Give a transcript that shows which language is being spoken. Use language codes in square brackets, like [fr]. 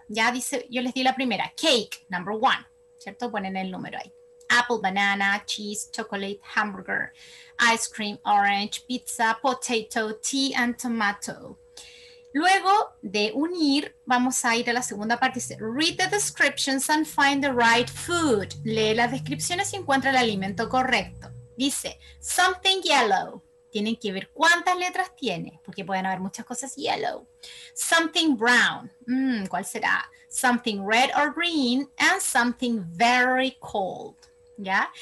[es] Ya dice, yo les di la primera, [en] cake, number one, [es] ¿cierto? Ponen el número ahí. [en] Apple, banana, cheese, chocolate, hamburger, ice cream, orange, pizza, potato, tea and tomato. [es] Luego de unir, vamos a ir a la segunda parte. Dice, [en] read the descriptions and find the right food. [es] Lee las descripciones y encuentra el alimento correcto. Dice, [en] something yellow. [es] Tienen que ver cuántas letras tiene, porque pueden haber muchas cosas yellow. [en] Something brown. [es] ¿Cuál será? [en] Something red or green. And something very cold. [es] ¿Ya?